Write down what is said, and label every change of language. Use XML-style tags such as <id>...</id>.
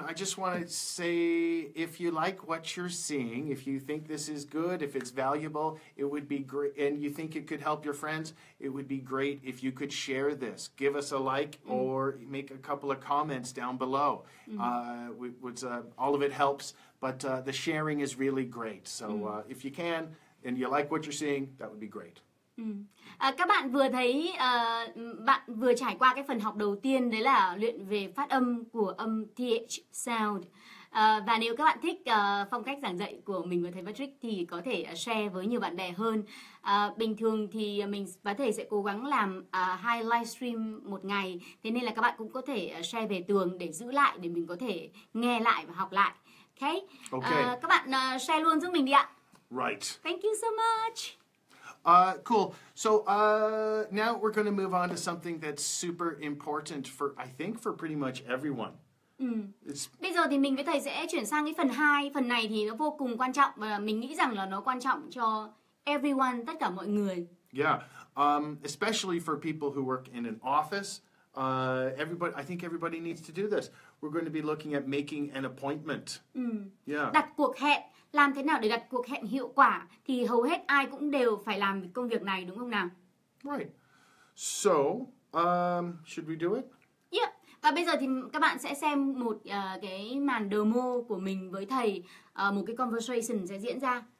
<en>I just want to say, if you like what you're seeing, if you think this is good, if it's valuable, it would be great, and you think it could help your friends, it would be great if you could share this. Give us a like or make a couple of comments down below. All of it helps, but the sharing is really great. So, if you can, and you like what you're seeing, that would be great.</en> <vi>Các bạn vừa thấy bạn vừa trải qua cái phần học đầu tiên đấy là luyện về phát âm của âm TH sound. Và nếu các bạn thích phong cách giảng dạy của mình và thầy Patrick thì có thể share với nhiều bạn bè hơn. Bình thường thì mình và thầy sẽ cố gắng làm 2 live stream một ngày. Thế nên là các bạn cũng có thể share về tường để giữ lại để mình có thể nghe lại và học lại. Okay? Các bạn share luôn giúp mình đi ạ.</vi> <en>Right. Thank you so much. Cool. So now we're going to move on to something that's super important for, I think, for pretty much everyone.</en> <vi>Bây giờ thì mình với thầy sẽ chuyển sang cái phần 2. Phần này thì nó vô cùng quan trọng và mình nghĩ rằng là nó quan trọng cho everyone, tất cả mọi người.</vi> <en>Yeah. Especially for people who work in an office. I think everybody needs to do this. We're going to be looking at making an appointment. Yeah.</en> <vi>Đặt cuộc hẹn. Làm thế nào để đặt cuộc hẹn hiệu quả thì hầu hết ai cũng đều phải làm công việc này đúng không nào?</vi> <en>Right. So, should we do it? Yep.</en> <vi>Và bây giờ thì các bạn sẽ xem một cái màn demo của mình với thầy, một cái conversation sẽ diễn ra.</vi>